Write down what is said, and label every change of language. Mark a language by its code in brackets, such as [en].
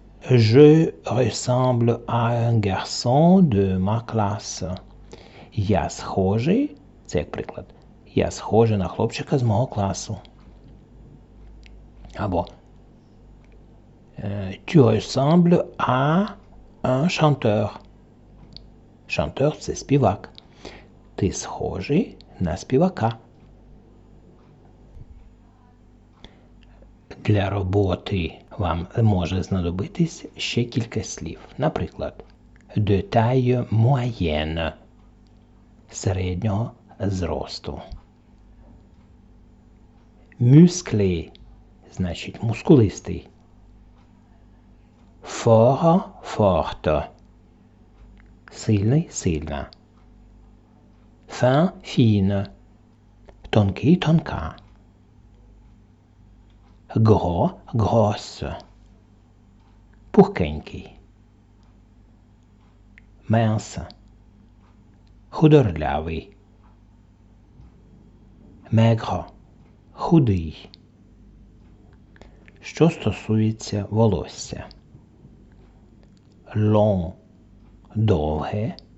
[fr] Je ressemble à un garçon de ma classe. [uk] Я схожий, це як приклад. Я схожий на хлопчика з мого класу. Або [fr] tu ressembles à un chanteur. [uk] Chanteur, це співак. Ти схожий на співака. Для роботи вам може знадобитись ще кілька слів. Наприклад, [fr] de taille moyenne, [uk] середнього зросту. Musclé, значить мускулистий. Fort, forte, сильний, сильна. Fin, fine, тонкий, тонка. Gros, grosse, пухкенький. Mince, худорлявий. Maigre, худий. Що стосується волосся? Long, довге.